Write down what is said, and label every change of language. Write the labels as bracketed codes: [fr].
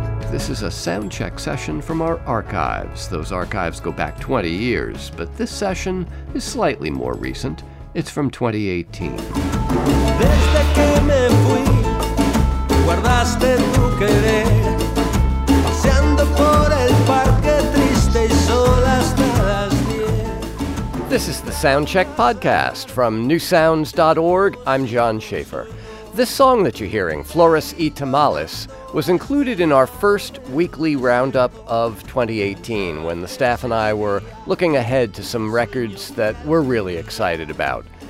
[en] This is a soundcheck session from our archives. Those archives go back 20 years, but this session is slightly more recent. It's from 2018. [es] Desde que me fui, guardaste tu querer, paseando por el parque triste y sola hasta las 10. [en] This is the Soundcheck Podcast from newsounds.org. I'm John Schaefer. This song that you're hearing, Flores y Tamales, was included in our first weekly roundup of 2018 when the staff and I were looking ahead to some records that we're really excited about.